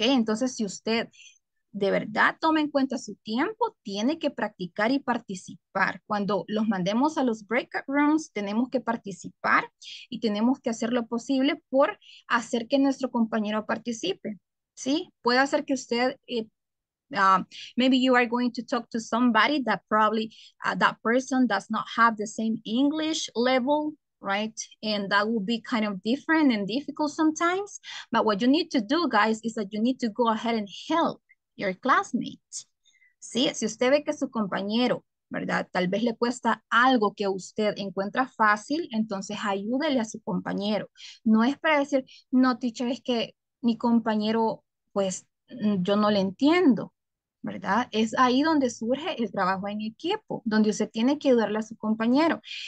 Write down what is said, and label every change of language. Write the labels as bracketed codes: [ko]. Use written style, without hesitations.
[es] Entonces, si usted de verdad toma en cuenta su tiempo, tiene que practicar y participar. Cuando los mandemos a los breakout rooms, tenemos que participar y tenemos que hacer lo posible por hacer que nuestro compañero participe, ¿sí? Puede hacer que usted, [en] maybe you are going to talk to somebody that probably that person does not have the same English level, right? And that will be kind of different and difficult sometimes. But what you need to do, guys, is that you need to go ahead and help your classmate. [es] ¿Sí? Si usted ve que su compañero, ¿verdad? Tal vez le cuesta algo que usted encuentra fácil, entonces ayúdele a su compañero. No es para decir, no, teacher, es que mi compañero, pues yo no le entiendo, ¿verdad? Es ahí donde surge el trabajo en equipo, donde usted tiene que ayudarle a su compañero.